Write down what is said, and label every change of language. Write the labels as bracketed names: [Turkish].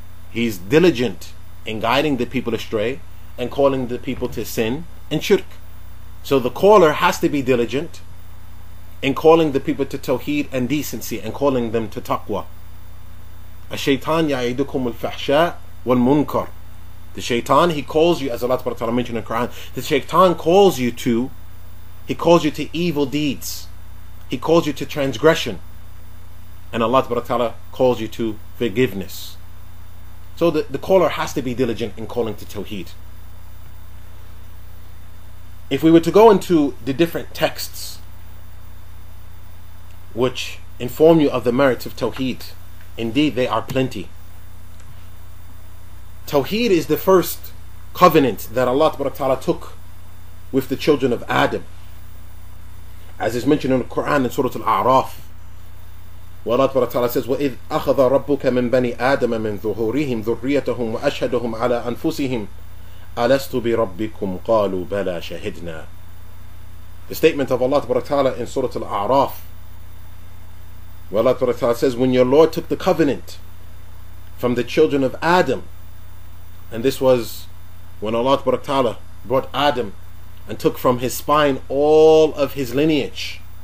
[English] He's diligent in guiding the people astray and calling the people to sin and shirk. So the caller has to be diligent in calling the people to tawheed and decency and calling them to taqwa. [Arabic] الشيطان يعيدكم الفحشاء والمنكر. [English] The shaitan, he calls you, as Allah subhanahu wa ta'ala mentioned in the Quran, the shaitan calls you to, he calls you to evil deeds. He calls you to transgression. And Allah subhanahu wa ta'ala calls you to forgiveness. So the caller has to be diligent in calling to tawheed. If we were to go into the different texts which inform you of the merits of tawheed, indeed they are plenty. Tawheed is the first covenant that Allah subhanahu wa ta'ala took with the children of Adam. As is mentioned in the Quran in Surah Al-A'raf, where Allah subhanahu wa ta'ala says, [Arabic] وَإِذْ أَخَذَ رَبُّكَ مِنْ بَنِي آدَمَ مِنْ ظُهُورِهِمْ ذُرِّيَّتَهُمْ وَأَشْهَدُهُمْ عَلَىٰ أَنفُسِهِمْ أَلَسْتُ بِرَبِّكُمْ قَالُوا بَلَىٰ شَهِدْنَا. [English] The statement of Allah subhanahu wa ta'ala in Surah Al-A'raf, where Allah subhanahu wa ta'ala says, when your Lord took the covenant from the children of Adam, and this was when Allah subhanahu wa ta'ala brought Adam and took from his spine all of his lineage.